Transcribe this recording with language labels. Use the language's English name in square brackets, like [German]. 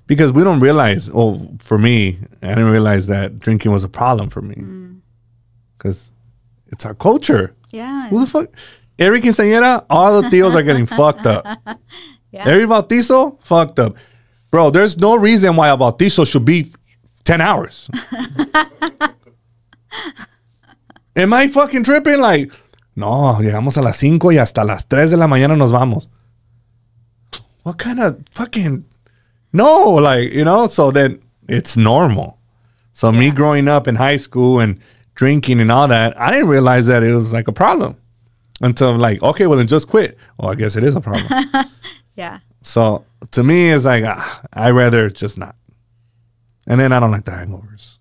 [English] because we don't realize, well, for me, I didn't realize that drinking was a problem for me, because it's our culture. Yeah. Who the fuck? Every quinceañera, all the tios are getting fucked up. Yeah. Every bautizo, fucked up. Bro, there's no reason why a bautizo should be 10 hours. Am I fucking tripping? [Spanish] Like, no, llegamos a las 5 y hasta las 3 de la mañana nos vamos. [English] What kind of fucking... No, like, you know, so then it's normal. So yeah. Me growing up in high school and drinking and all that, I didn't realize that it was like a problem until I'm like, okay, well, then just quit. Well, I guess it is a problem. Yeah. So to me, it's like, I'd rather just not. And then I don't like the hangovers.